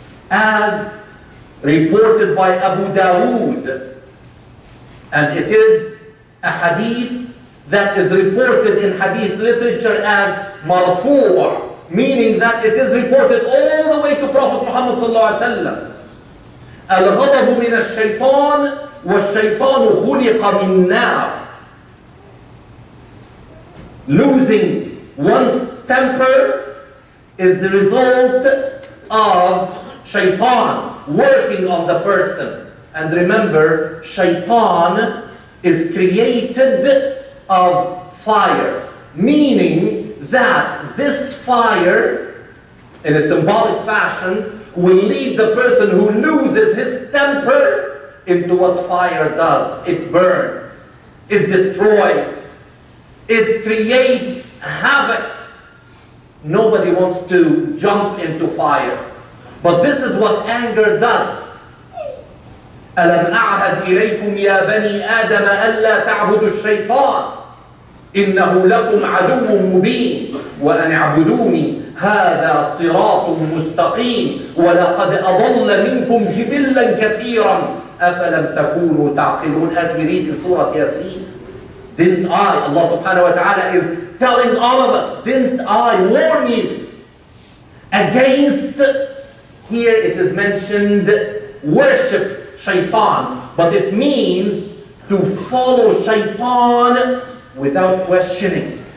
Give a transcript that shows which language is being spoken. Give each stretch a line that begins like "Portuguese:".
English: As reported by Abu Dawood, and it is a hadith that is reported in hadith literature as marfu', meaning that it is reported all the way to Prophet Muhammad
Arabic: sallallahu alaihi wasallam. الغضب من الشيطان والشيطان خلق من نار.
English: Losing one's temper is the result of shaitan working on the person. And remember, shaitan is created of fire, meaning that this fire, in a symbolic fashion, will lead the person who loses his temper into what fire does. It burns, it destroys, it creates havoc. Nobody wants to jump into fire. But this is what anger does.
Arabic: أَلَمْ أَعْهَدْ إِلَيْكُمْ يَا بَنِي آدَمَ أَلَّا تَعْبُدُوا الشَّيْطَانِ إِنَّهُ لَكُمْ عَدُوٌ مُبِينٌ وَأَنْ اعْبُدُونِي هذا صراط مستقيم ولقد أضل منكم جبلا كثيرا أفلم تكونوا تعقلون.
English: As we read in Surah Yasin, didn't I, Allah
Arabic: subhanahu wa ta'ala
English: is telling all of us, didn't I warn you against, here it is mentioned, worship shaitan, but it means to follow shaitan without questioning.